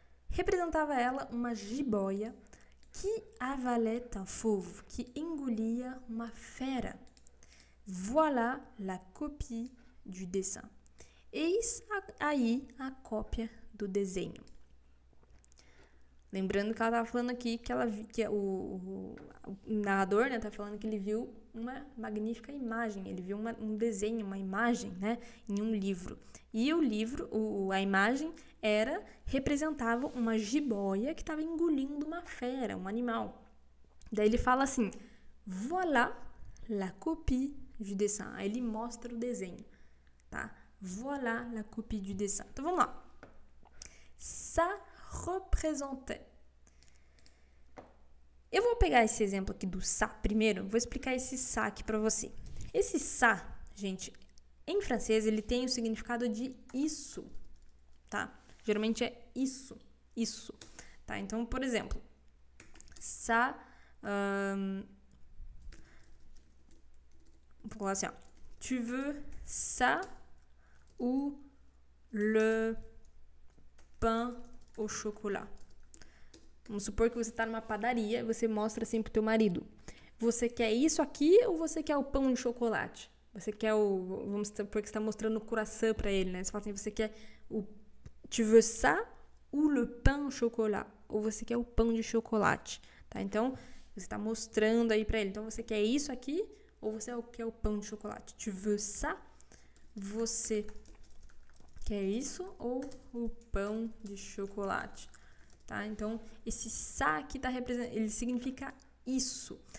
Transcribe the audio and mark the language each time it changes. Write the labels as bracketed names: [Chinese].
[Portuguese] Representava ela uma jiboia [French] qui avalait un fauve, [Portuguese] que engolia uma fera. [French] Voilà la copie du dessin. [Portuguese] Eis aí a cópia do desenho. Lembrando que ela estava falando aqui que, ela, que o narrador, né, está falando que ele viu uma magnífica imagem, ele viu um desenho, uma imagem, né, em um livro. E o livro, a imagem, representava uma jiboia que estava engolindo uma fera, um animal. Daí ele fala assim: [French] Voilà la copie. Du dessin. [Portuguese] Aí ele mostra o desenho, tá? [French] Voilà la copie du dessin. [Portuguese] Então vamos lá. [French] Ça représenter. [Portuguese] Eu vou pegar esse exemplo aqui do ça primeiro, vou explicar esse ça aqui para você. Esse ça, gente, em francês ele tem o significado de isso, tá? Geralmente é isso, isso, tá? Então, por exemplo, ça, vou falar assim, ó. [French] Tu veux ça ou le pain au chocolat? [Portuguese] Vamos supor que você está numa padaria e você mostra assim pro teu marido. Você quer isso aqui ou você quer o pão de chocolate? Você quer o... Vamos supor que você está mostrando o croissant para ele, né? Você fala assim, você quer o... [French] Tu veux ça ou le pain au chocolat? [Portuguese] Ou você quer o pão de chocolate, tá? Então, você está mostrando aí para ele. Então, você quer isso aqui ou você quer o pão de chocolate? [French] Tu veux ça? [Portuguese] Você quer isso ou o pão de chocolate? Tá? Então, esse ça aqui tá representando, ele significa isso.